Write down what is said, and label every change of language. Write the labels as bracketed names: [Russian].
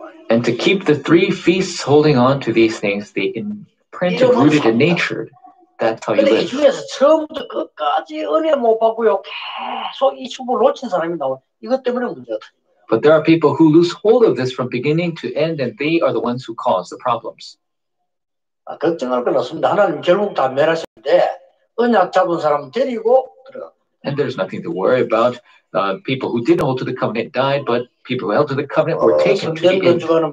[English] And to keep the three feasts holding on to these things, they imprinted, rooted, and nature. That's how you live. [Korean] 근데 이 중에서 처음부터 끝까지 은혜 못 받고요, 계속 이 축복을 놓친 사람이 나와. 이것 때문에 문제가 터져요. [English] But there are people who lose hold of this from beginning to end, and they are the ones who cause the problems. [Korean] 아, 걱정할 건 없습니다. 하나님 결국 다 멸하시는데 은약 잡은 사람 데리고 들어가. [English] And there's nothing to worry about. People who didn't hold to the covenant died, but people who held to the covenant were taken to the end.